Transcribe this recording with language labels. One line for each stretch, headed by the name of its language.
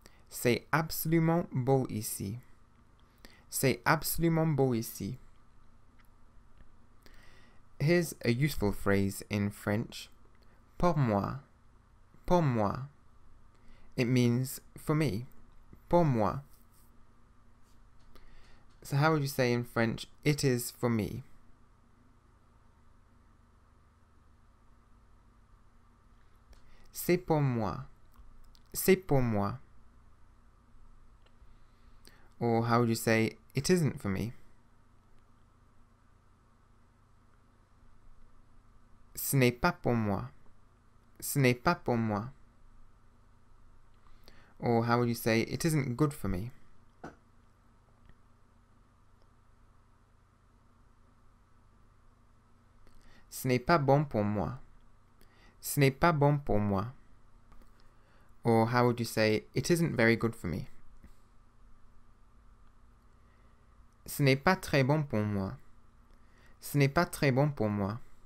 French: C'est absolument beau ici. C'est absolument beau ici.
English: Here's a useful phrase in French.
French: Pour moi. Pour moi.
English: It means for me.
French: Pour moi.
English: So how would you say in French, it is for me?
French: C'est pour moi. C'est pour moi.
English: Or how would you say it isn't for me?
French: Ce n'est pas pour moi. Ce n'est pas pour moi.
English: Or how would you say it isn't good for me?
French: Ce n'est pas bon pour moi. Ce n'est pas bon pour moi.
English: Or how would you say it isn't very good for me?
French: Ce n'est pas très bon pour moi. Ce n'est pas très bon pour moi.